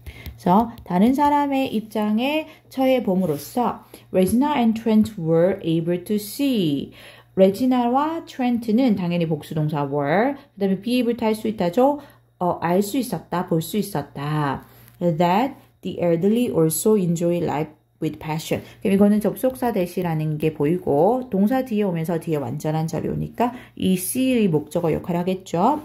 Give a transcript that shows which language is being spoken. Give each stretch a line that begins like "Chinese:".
Korean: 그래서 다른 사람의 입장에 처해봄으로써
English: Regina and Trent were able to see.
Korean: Regina와 Trent는 당연히 복수동사 were, 그 다음에 be able 탈수 있다죠. 알수 있었다, 볼수 있었다.
English: That the elderly also enjoy life with passion.
Korean: 그럼 이거는 접속사 대시라는 게 보이고 동사 뒤에 오면서 뒤에 완전한 자리 오니까 이 C의 목적어 역할하겠죠.